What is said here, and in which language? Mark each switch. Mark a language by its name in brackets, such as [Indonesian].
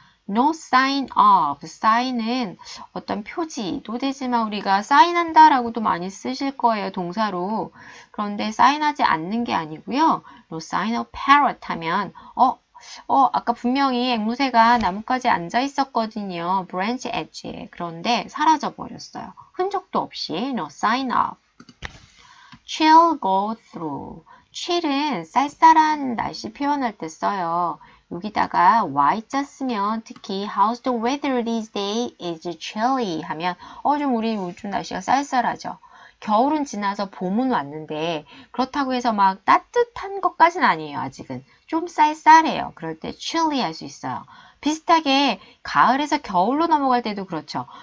[English] no sign of, [Korean] sign은 어떤 표지, 도대지만 우리가 sign한다 라고도 많이 쓰실 거예요, 동사로. 그런데 sign하지 않는 게 아니고요. [English] no sign of parrot [Korean] 하면 아까 분명히 앵무새가 나뭇가지에 앉아 있었거든요. [English] branch edge에. [Korean] 그런데 사라져 버렸어요. 흔적도 없이 [English] no sign of. chill go through. [Korean] chill은 쌀쌀한 날씨 표현할 때 써요. 여기다가 Y자 쓰면 특히 [English] How's the weather these days? Is it chilly? [Korean] 하면 좀 우리 요즘 날씨가 쌀쌀하죠. 겨울은 지나서 봄은 왔는데 그렇다고 해서 막 따뜻한 것까지는 아니에요. 아직은 좀 쌀쌀해요. 그럴 때 chilly 할 수 있어요. 비슷하게 가을에서 겨울로 넘어갈 때도 그렇죠.